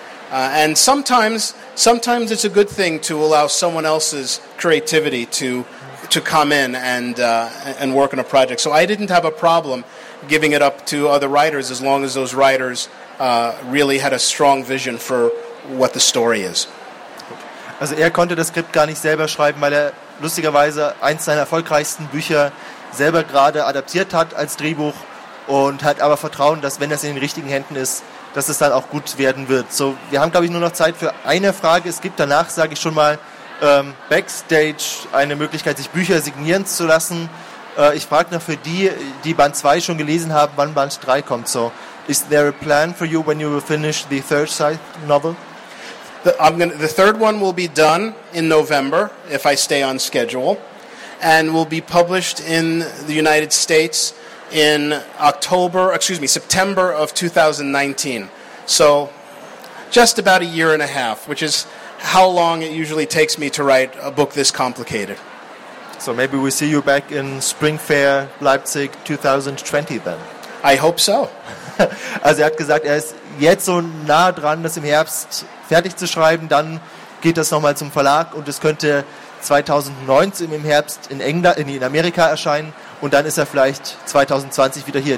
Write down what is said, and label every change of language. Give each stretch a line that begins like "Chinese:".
English: And sometimes it's a good thing to allow someone else's creativity to come in and work on a project. So I didn't have a problem giving it up to other writers as long as those writers really had a strong vision for what the story is.
German: Also er konnte das Skript gar nicht selber schreiben, weil er lustigerweise eins seiner erfolgreichsten Bücher selber gerade adaptiert hat als Drehbuch und hat aber Vertrauen, dass wenn das in den richtigen Händen ist, dass es dann auch gut werden wird. So, wir haben glaube ich nur noch Zeit für eine Frage. Es gibt danach, sage ich schon mal, Backstage eine Möglichkeit, sich Bücher signieren zu lassen. Ich frage noch für die, die Band 2 schon gelesen haben, wann Band 3 kommt.
English: So, is there a plan for you when you will finish the third Scythe novel? The third one will be done in November, if I stay on schedule, and will be published in the United States in September of 2019. So, just about a year and a half, which is how long it usually takes me to write a book this complicated. So maybe we see you back in Spring Fair Leipzig 2020 then. I hope so.
German: Also er hat gesagt, er ist jetzt so nah dran, das im Herbst fertig zu schreiben, dann geht das nochmal zum Verlag und es könnte 2019 im Herbst in England, in Amerika erscheinen und dann ist er vielleicht 2020 wieder hier.